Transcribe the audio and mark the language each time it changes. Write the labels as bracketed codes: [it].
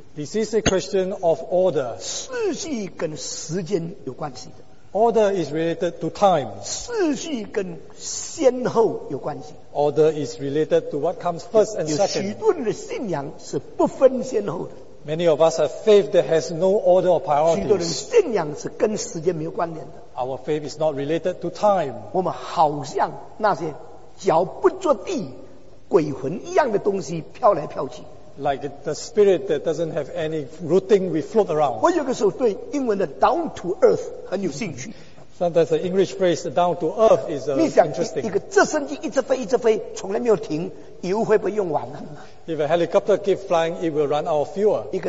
[en] This is a question of order. [zh] 次序跟时间有关系的。 [en] Order is related to time. [zh] 次序跟先后有关系。 [en] Order is related to what comes first and second. [zh] 有许多人的信仰是不分先后的。 [en] Many of us have faith that has no order or priorities. [zh] 许多人信仰是跟时间没有关联的。 [en] Our faith is not related to time. [zh] 我们好像那些脚不着地、鬼魂一样的东西飘来飘去。 [en] Like the spirit that doesn't have any rooting, we float around. [zh] 我有个时候对英文的 [en] down to earth [zh] 很有兴趣。 [en] Sometimes the English phrase down to earth is interesting. [zh] 一个直升机一直飞，从来没有停，油会不会用完呢？ [en] If a helicopter keeps flying, it will run out of fuel.